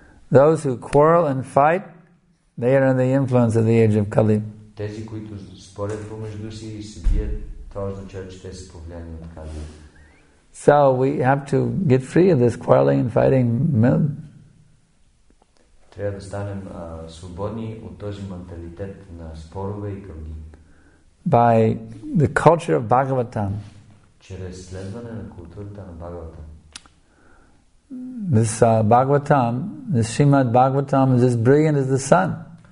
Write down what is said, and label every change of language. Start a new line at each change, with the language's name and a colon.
English: Those who quarrel and fight, they are under the influence of the age of Kali.
Bulgarian: Тези, които спорят помежду си и се бият, това означава, че те са повлияни от Кали.
English: So we have to get free of this quarreling and fighting.
Bulgarian: Трябва да станем свободни от този менталитет на спорове и кръги.
English: By the culture of Bhagavatam.
Bulgarian: Чрез следване на културата на Бхагаватам.
English: This Bhagavatam, this Srimad Bhagavatam is as brilliant as the sun.